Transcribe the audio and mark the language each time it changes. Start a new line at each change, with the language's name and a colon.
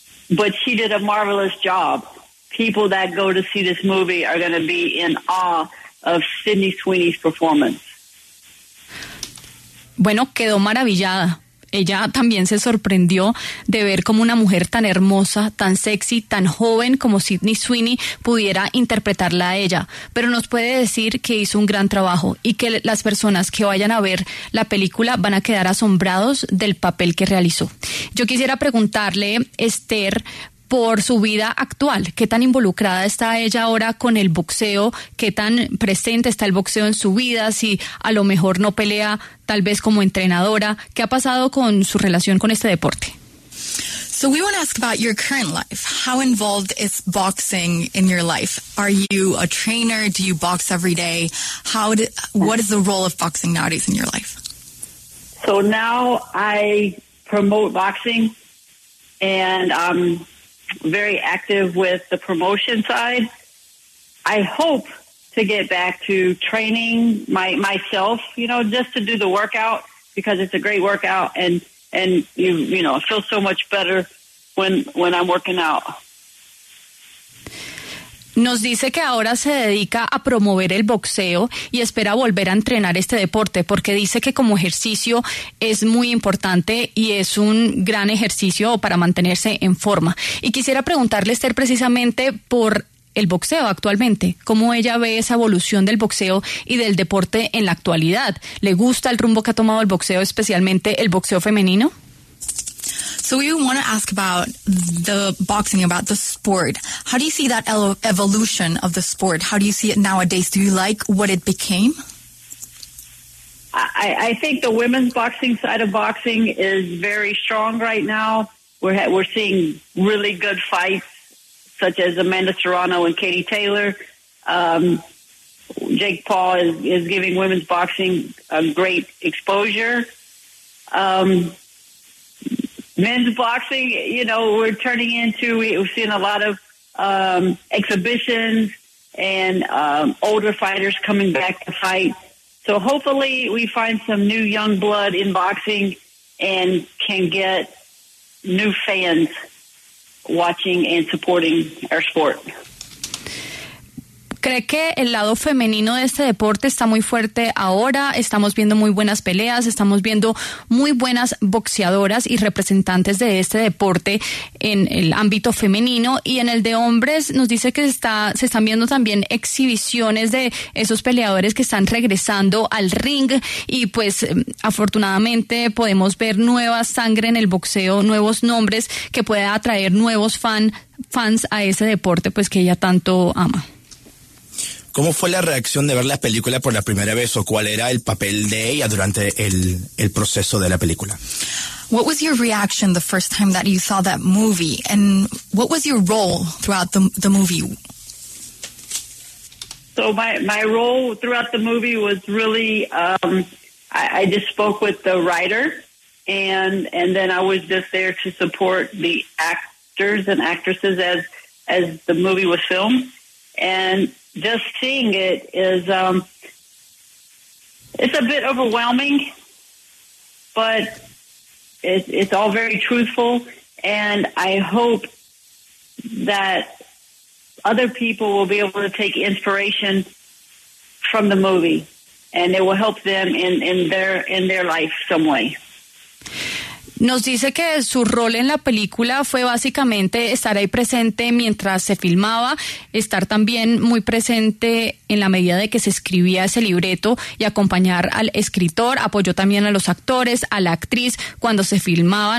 English: But she did a marvelous job. People that go to see this movie are going to be in awe of Sydney Sweeney's performance.
Spanish: Bueno, quedó maravillada. Ella también se sorprendió de ver cómo una mujer tan hermosa, tan sexy, tan joven como Sydney Sweeney pudiera interpretarla a ella. Pero nos puede decir que hizo un gran trabajo y que las personas que vayan a ver la película van a quedar asombrados del papel que realizó. Yo quisiera preguntarle, Esther, por su vida actual. ¿Qué tan involucrada está ella ahora con el boxeo? ¿Qué tan presente está el boxeo en su vida? Si a lo mejor no pelea, tal vez como entrenadora. ¿Qué ha pasado con su relación con este deporte?
English: So we want to ask about your current life. How involved is boxing in your life? Are you a trainer? Do you box every day? What is the role of boxing nowadays in your life? So now I promote boxing, and very active with the promotion side. I hope to get back to training myself, you know, just to do the workout, because it's a great workout, and you know, I feel so much better when I'm working out.
Spanish: Nos dice que ahora se dedica a promover el boxeo y espera volver a entrenar este deporte, porque dice que como ejercicio es muy importante y es un gran ejercicio para mantenerse en forma. Y quisiera preguntarle, Esther, precisamente por el boxeo actualmente. ¿Cómo ella ve esa evolución del boxeo y del deporte en la actualidad? ¿Le gusta el rumbo que ha tomado el boxeo, especialmente el boxeo femenino?
English: So we want to ask about the boxing, about the sport. How do you see that evolution of the sport? How do you see it nowadays? Do you like what it became? I think the women's boxing side of boxing is very strong right now. We're seeing really good fights, such as Amanda Serrano and Katie Taylor. Jake Paul is giving women's boxing a great exposure. Men's boxing, you know, we're turning into, we're seeing a lot of exhibitions and older fighters coming back to fight. So hopefully we find some new young blood in boxing and can get new fans watching and supporting our sport.
Spanish: ¿Cree que el lado femenino de este deporte está muy fuerte ahora? Estamos viendo muy buenas peleas, estamos viendo muy buenas boxeadoras y representantes de este deporte en el ámbito femenino. Y en el de hombres, nos dice que se están viendo también exhibiciones de esos peleadores que están regresando al ring. Y pues, afortunadamente, podemos ver nueva sangre en el boxeo, nuevos nombres que pueda atraer nuevos fans a ese deporte pues que ella tanto ama. ¿Cómo fue la reacción de ver la película por la primera vez, o cuál era el papel de ella durante el proceso de la película?
English: What was your reaction the first time that you saw that movie, and what was your role throughout the movie? So my role throughout the movie was really, I just spoke with the writer, and then I was just there to support the actors and actresses as the movie was filmed. And just seeing it is, it's a bit overwhelming, but it's all very truthful. And I hope that other people will be able to take inspiration from the movie, and it will help them in their life some way.
Spanish: Nos dice que su rol en la película fue básicamente estar ahí presente mientras se filmaba, estar también muy presente en la medida de que se escribía ese libreto y acompañar al escritor, apoyó también a los actores, a la actriz cuando se filmaba.